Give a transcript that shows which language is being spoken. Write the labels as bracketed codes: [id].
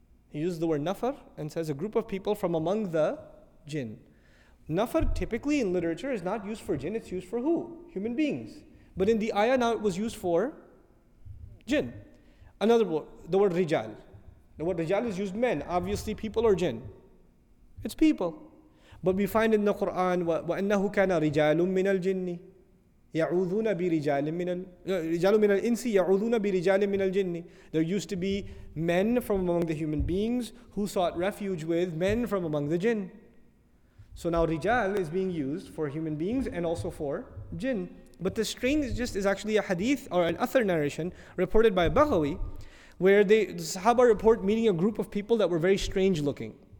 [en] He uses the word nafar and says a group of people from among the jinn. Nafar typically in literature is not used for jinn, it's used for who? Human beings. But in the ayah now it was used for jinn. Another word, the word rijal. The word rijal is used men, obviously people or jinn. It's people. But we find in the Quran, [ar] وَأَنَّهُ كَانَ رِجَالٌ مِّنَ الْجِنِّ يَعُوذُونَ بِرِجَالٍ مِّنَ رِجَالٌ مِّنَ الْإِنسِ يَعُوذُونَ بِرِجَالٍ مِّنَ الْجِنِّ. [en] There used to be men from among the human beings who sought refuge with men from among the jinn. So now rijal is being used for human beings and also for jinn. But the strange just is actually a hadith or an athar narration reported by Baghawi, where the Sahaba report meeting a group of people that were very strange looking.